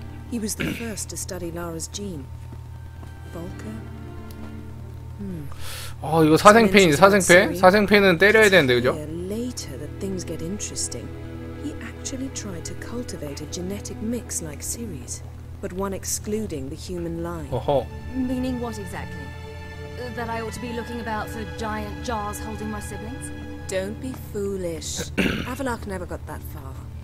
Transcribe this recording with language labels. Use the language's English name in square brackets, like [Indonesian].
[English] He was the first to study Lara's gene. Volker. [Korean] 아, 이거 사생패인데, 사생패? 사생패는 때려야 되는데, 그죠? [English] Later that things get interesting. He actually tried to cultivate a genetic mix like Ceres, but one excluding the human line. Uh-huh. Meaning what exactly? That I ought to be looking about for giant jars holding my siblings? Don't be foolish. Avalok never got that far.